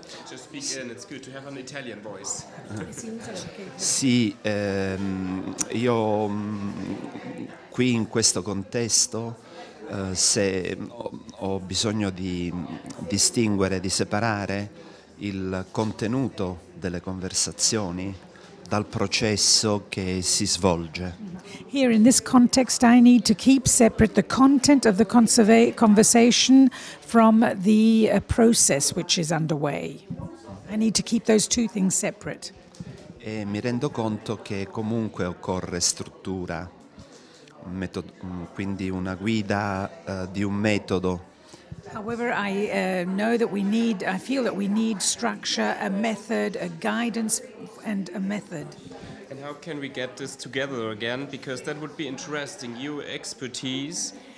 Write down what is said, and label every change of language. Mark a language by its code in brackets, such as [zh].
[en] Just begin, it's good to have an Italian voice. [it] Sì, io qui in questo contesto se ho bisogno di distinguere, di separare il contenuto delle conversazioni dal processo che si svolge. [en] Here in this context I need to keep separate the content of the conversation from the process which is underway. I need to keep those two things separate. [it] E mi rendo conto che comunque occorre struttura, quindi una guida di un metodo. [en] However, I know that we need, I feel that we need structure, a method, a guidance, and a method. And how can we get this together again? Because that would be interesting, your expertise.